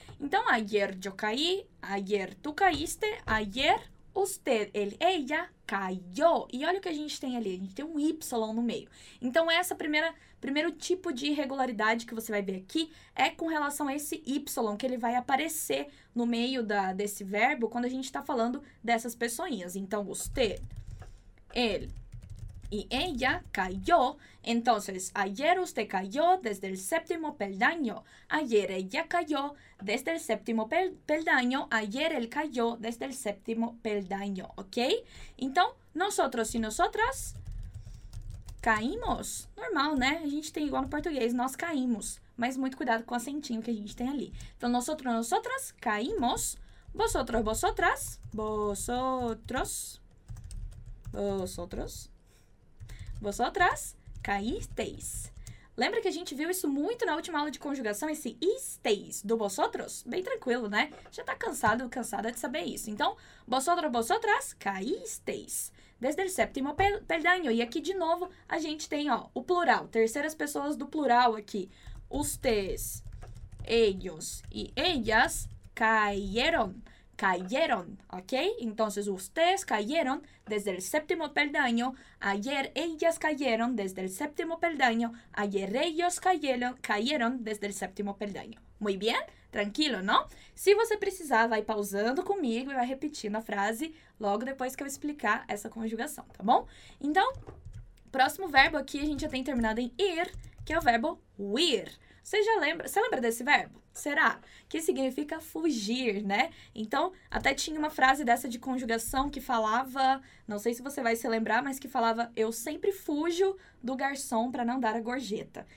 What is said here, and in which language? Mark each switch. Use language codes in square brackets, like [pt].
[es] Então, ayer yo caí. Ayer tu caíste. Ayer usted, él, ella cayó. [pt] E olha o que a gente tem ali. A gente tem um Y no meio. Então, essa primeira... Primeiro tipo de irregularidade que você vai ver aqui é com relação a esse Y, que ele vai aparecer no meio desse verbo quando a gente está falando dessas pessoinhas. [es] Então, usted, él y ella cayó. Entonces, ayer usted cayó desde el séptimo peldaño. Ayer ella cayó desde el séptimo peldaño. Ayer él cayó desde el séptimo peldaño. ¿Ok? Então, nosotros y nosotras... Caímos? Normal, né? [pt] A gente tem igual no português, nós caímos. Mas muito cuidado com o acentinho que a gente tem ali. [es] Então, nosotros, nosotras, caímos. Vosotros, vosotras. Vosotros. Vosotros. Vosotras, caísteis. [pt] Lembra que a gente viu isso muito na última aula de conjugação, esse isteis do vosotros? Bem tranquilo, né? Já tá cansado, cansada de saber isso. Então, [es] vosotros, vosotras, caísteis. Desde el séptimo peldaño. [pt] E aqui, de novo, a gente tem, ó, o plural. Terceiras pessoas do plural aqui. [es] Ustedes, ellos y ellas cayeron. Cayeron, ok? Entonces, ustedes cayeron desde el séptimo peldaño. Ayer, ellas cayeron desde el séptimo peldaño. Ayer, ellos cayeron desde el séptimo peldaño. Muy bien? Tranquilo, não? [pt] Se você precisar, vai pausando comigo e vai repetindo a frase logo depois que eu explicar essa conjugação, tá bom? Então, próximo verbo aqui a gente já tem terminado em ir, que é o verbo huir. Você já lembra? Você lembra desse verbo? Será? Que significa fugir, né? Então, até tinha uma frase dessa de conjugação que falava, não sei se você vai se lembrar, mas que falava, eu sempre fujo do garçom para não dar a gorjeta.